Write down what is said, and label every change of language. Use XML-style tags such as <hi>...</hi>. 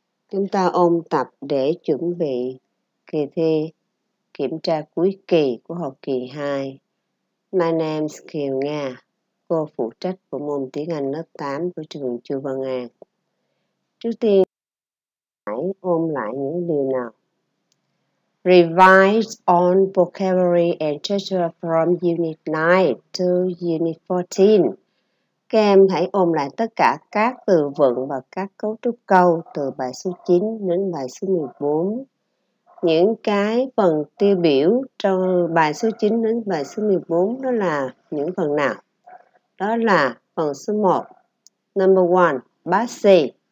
<vi>Chúng ta ôn tập để chuẩn bị kỳ thi kiểm tra cuối kỳ của học kỳ 2.</vi> <en>My name is</en> <vi>Kiều Nga, cô phụ trách bộ môn tiếng Anh lớp 8 của trường Chư Văn An. Trước tiên hãy ôm lại những điều nào.</vi> <en>Revise on vocabulary and structure from Unit 9 to Unit 14.</en> <vi>Các em hãy ôm lại tất cả các từ vựng và các cấu trúc câu từ bài số 9 đến bài số 14. Những cái phần tiêu biểu trong bài số 9 đến bài số 14 đó là những phần nào? Đó là phần số 1.</vi> <en>Number 1.</en> <vi>Bác sĩ.</vi>